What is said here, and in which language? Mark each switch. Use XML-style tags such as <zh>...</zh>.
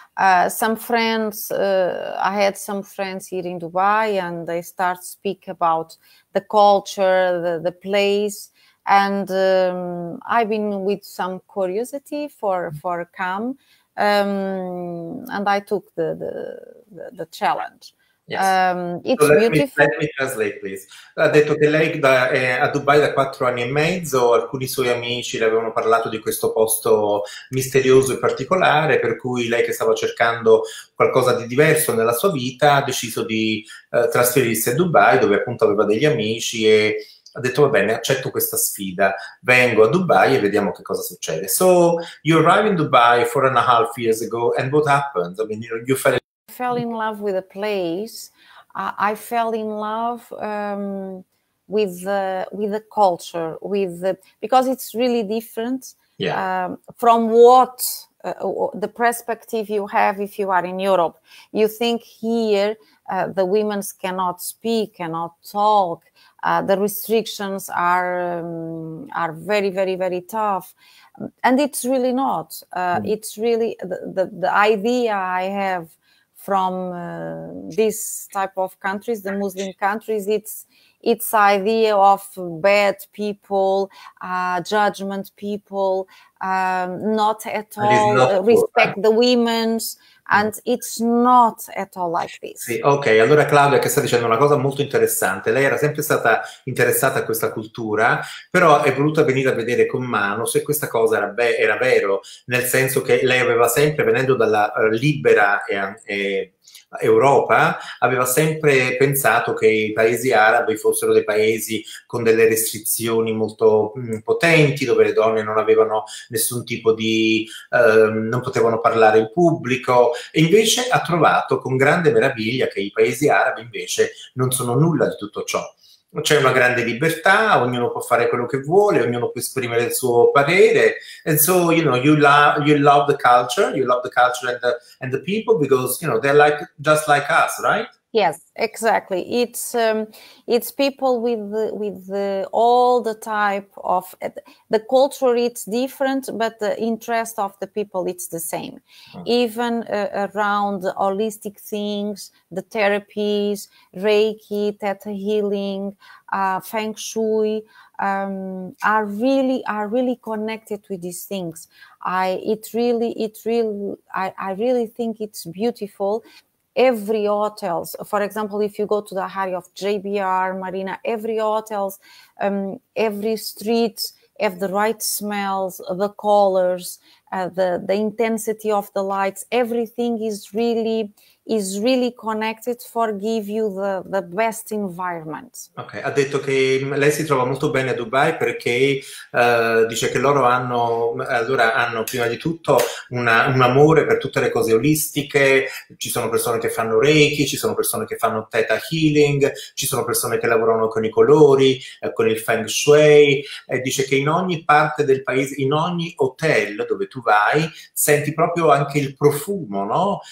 <en>I had some friends here in Dubai and they start speak about the culture, the place, and I've been with some curiosity for come, and I took the challenge. Yes. Let me translate, please.</en> <it>Ha detto che lei è a Dubai da 4 anni e mezzo, alcuni suoi amici le avevano parlato di questo posto misterioso e particolare, per cui lei, che stava cercando qualcosa di diverso nella sua vita, ha deciso di trasferirsi a Dubai, dove appunto aveva degli amici, e ha detto va bene, accetto questa sfida, vengo a Dubai e vediamo che cosa succede.</it> <en>So you arrived in Dubai 4 and a half years ago, and what happened? I mean, you fell in love with a place. I fell in love with the culture, because it's really different. Yeah. From what the perspective you have if you are in Europe. You think here the women cannot speak, cannot talk. The restrictions are very, very, very tough. And it's really not. It's really the idea I have from this type of countries, the Muslim countries, it's idea of bad people, judgment people, not at all respect the women's. And it's not at all like this.</en> <it>Sì, ok, allora Claudia, che sta dicendo una cosa molto interessante. Lei era sempre stata interessata a questa cultura, però è voluta venire a vedere con mano se questa cosa era vero, nel senso che lei aveva sempre, venendo dalla libera Europa, aveva sempre pensato che i paesi arabi fossero dei paesi con delle restrizioni molto potenti, dove le donne non avevano nessun tipo di non potevano parlare in pubblico, e invece ha trovato con grande meraviglia che i paesi arabi invece non sono nulla di tutto ciò. C'è una grande libertà, ognuno può fare quello che vuole, ognuno può esprimere il suo parere.</it> <en>And so, you know, you love the culture and the people, because, you know, they're like just like us, right? Yes, exactly. It's people with all the type of the culture. It's different, but the interest of the people, it's the same. Okay. Even around the holistic things, the therapies, Reiki, Theta Healing, Feng Shui, are really connected with these things. I really think it's beautiful. Every hotels, for example, if you go to the area of JBR Marina, every hotels, every street have the right smells, the colors, the intensity of the lights. Everything is really connected for give you the best environment.</en> <it>Ok, ha detto che lei si trova molto bene a Dubai perché dice che loro hanno, allora hanno prima di tutto un amore per tutte le cose olistiche, ci sono persone che fanno Reiki, ci sono persone che fanno Theta Healing, ci sono persone che lavorano con i colori, con il Feng Shui, e dice che in ogni parte del paese, in ogni hotel dove tu vai, senti proprio anche il profumo, no?</it>